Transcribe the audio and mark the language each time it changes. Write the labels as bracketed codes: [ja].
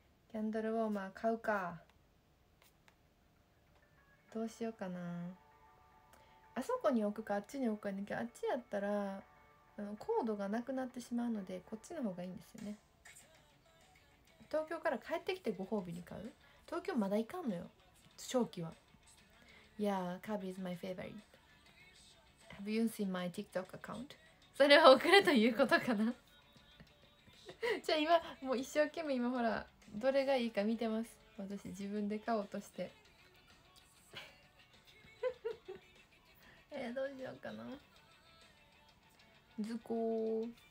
[ja] キャンドルウォーマー買うか、どうしようかな。あそこに置くかあっちに置くかに、あっちやったらコードがなくなってしまうのでこっちの方がいいんですよね。東京から帰ってきてご褒美に買う。東京まだ行かんのよ正気は。 [en] Yeah, Kirby is my favorite. Have you seen my TikTok account? [ja] それは送るということかな。じゃあ今もう一生懸命今ほらどれがいいか見てます。私自分で買おうとして。どうしようかな。ズコー。